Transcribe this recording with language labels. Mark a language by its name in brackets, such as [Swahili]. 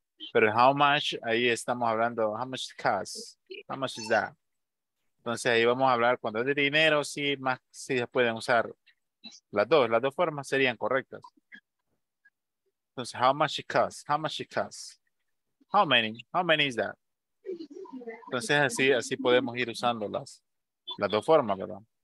[Spanish] Pero [English] how much, [Spanish] ahí estamos hablando, [English] how much cost, how much is that? [Spanish] Entonces ahí vamos a hablar cuando es de dinero, sí, más, sí se pueden usar las dos formas serían correctas. [English] Entonces, how much it costs, how much it costs, how many is that? [Spanish] Entonces así, así podemos ir usando las dos formas, ¿verdad?